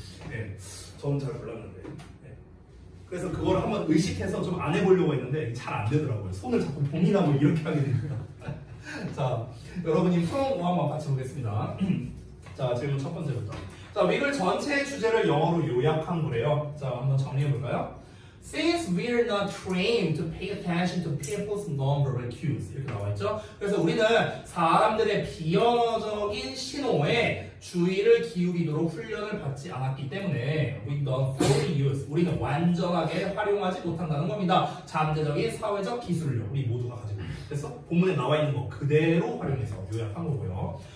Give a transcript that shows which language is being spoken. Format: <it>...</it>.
<ko>네, 저는 잘 몰랐는데. 네. 그래서 그걸 한번 의식해서 좀 안 해보려고 했는데 잘 안 되더라고요. 손을 자꾸 봉인하고 이렇게 하게 됩니다. 자, 여러분이 프롬 한번 같이 보겠습니다. 자, 질문 첫 번째부터. 자, 위글 전체의 주제를 영어로 요약한 거래요. 자, 한번 정리해볼까요?</ko> <en>Since we're not trained to pay attention to people's nonverbal cues,</en> <ko>이렇게 나와있죠? 그래서 우리는 사람들의 비언어적인 신호에 주의를 기울이도록 훈련을 받지 않았기 때문에</ko> <en>we don't fully use,</en> <ko>우리는 완전하게 활용하지 못한다는 겁니다. 잠재적인 사회적 기술력, 우리 모두가 가지고 있어요. 그래서 본문에 나와있는 거 그대로 활용해서 요약한 거고요.</ko>